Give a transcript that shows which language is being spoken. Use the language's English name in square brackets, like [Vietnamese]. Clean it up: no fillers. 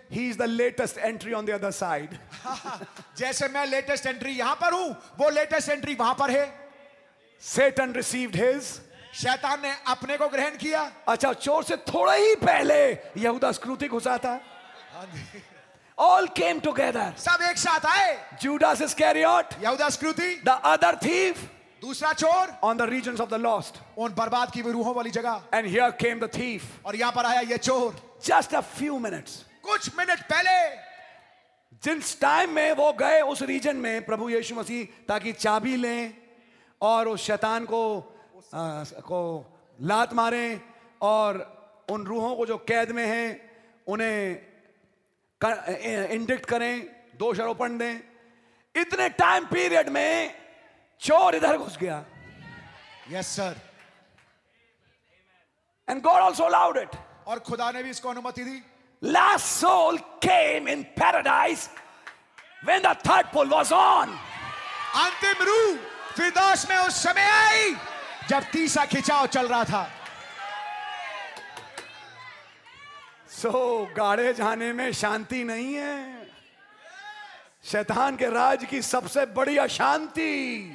[English] He is the latest entry on the other side. [Hindi] जैसे मैं latest entry यहाँ पर हूँ, वो latest entry वहाँ पर है. [English] Satan received his. [Hindi] शैतान ने अपने को ग्रहण किया. अच्छा चोर से थोड़ा ही पहले यहूदा स्क्रूति घुसा था. [English] All came together. [Hindi] सब एक साथ आए. [English] Judas Iscariot. [Hindi] यहूदा स्क्रूति. [English] The other thief. [Hindi] दूसरा चोर [English] on the regions of the lost, [Hindi] उन बर्बाद की रूहों वाली जगह [English] and here came the thief [Hindi] और यहां पर आया ये चोर [English] just a few minutes [Hindi] कुछ मिनट पहले जिस टाइम में वो गए उस रीजन में प्रभु यीशु मसीह ताकि चाबी लें और उस शैतान को को लात मारें और उन रूहों को जो कैद में हैं उन्हें इंडिक्ट करें, दोष आरोपण दें, इतने टाइम पीरियड में चोर इधर घुस गया. [English] Yes sir. And God also allowed it. [Hindi] और खुदा ने भी इसको अनुमति दी. [English] Last soul came in paradise when the third pole was on. [Hindi] अंतिम रूह फिरदौस में उस समय आई जब तीसरा खिंचाव चल रहा था. So गाड़े जाने में शांति नहीं है. शैतान के राज की सबसे बड़ी अशांति